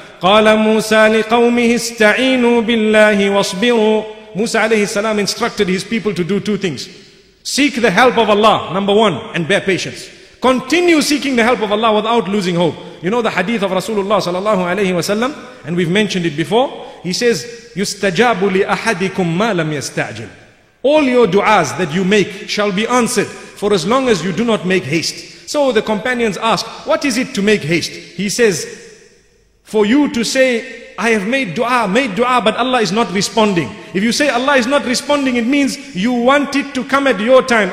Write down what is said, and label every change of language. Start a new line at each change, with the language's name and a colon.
Arabic: قَالَ مُوسَى لِقَوْمِهِ اسْتَعِينُوا بِاللَّهِ وَاصْبِرُوا.
English: Musa alayhi salam instructed his people to do two things. Seek the help of Allah, number one, and bear patience. Continue seeking the help of Allah without losing hope. You know the hadith of Rasulullah sallallahu alayhi wasallam, and we've mentioned it before. He says,
Arabic: يُسْتَجَابُ لِأَحَدِكُمْ مَا لَمْ يَسْتَعْجِلْ.
English: All your du'as that you make shall be answered for as long as you do not make haste. So the companions ask, what is it to make haste? He says, for you to say, I have made dua, but Allah is not responding. If you say Allah is not responding, it means you want it to come at your time.